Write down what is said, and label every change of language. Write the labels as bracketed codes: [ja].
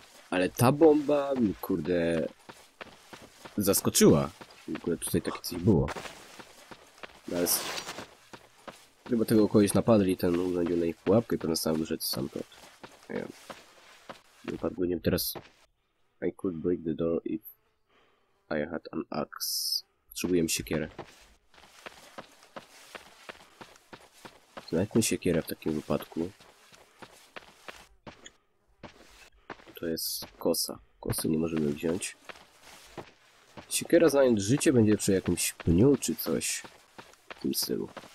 [pl] Ale ta bomba mi kurde zaskoczyła. W ogóle tutaj takie coś było. Teraz. Chyba tego kogoś napadli, ten urządził na ich pułapkę, to nastał wyrzec sam to. Nie wiem. Nie upadł, nie wiem, teraz. [en] I could break the door if I had an axe. [pl] Potrzebujemy siekierę. Znajdźmy siekierę w takim wypadku. To jest kosa. Kosy nie możemy wziąć. Siekiera znając życie będzie przy jakimś pniu czy coś. W tym stylu.